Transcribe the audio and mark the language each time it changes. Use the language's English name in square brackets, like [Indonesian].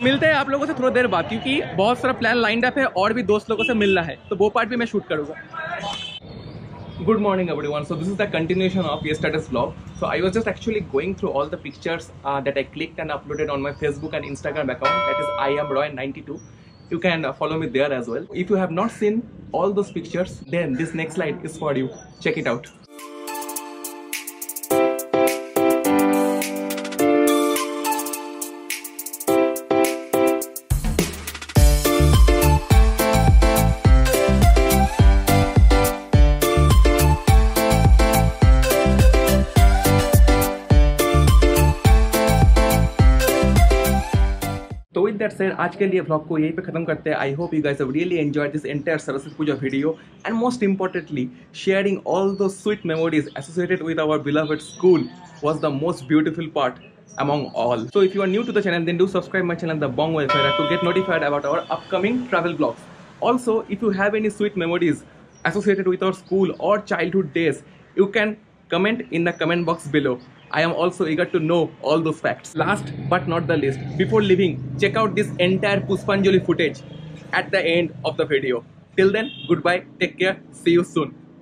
[Hindi] मिलते हैं आप लोगों से थोड़ी देर बाद क्योंकि बहुत सारा प्लान लाइंड अप है और भी दोस्त लोगों से मिलना है, तो वो पार्ट भी मैं शूट करूंगा। [English] Good morning everyone, so this is the continuation of yesterday's vlog. So I was just actually going through all the pictures that I clicked and uploaded on my Facebook and Instagram account, that is I am Roy 92। You can follow me there as well. If you have not seen all those pictures, then this next slide is for you. Check it out. [Hindi] आज के लिए blog को यहीं पे खत्म करते हैं। [English] I hope you guys have really enjoyed this entire Saraswati Puja video and most importantly sharing all the sweet memories associated with our beloved school was the most beautiful part among all. So if you are new to the channel then do subscribe my channel the Bong welfare to get notified about our upcoming travel blogs. Also if you have any sweet memories associated with our school और childhood days, you can comment in the comment box below. I am also eager to know all those facts. Last but not the least, before leaving, check out this entire Pushpanjali footage at the end of the video. Till then, goodbye, take care, see you soon.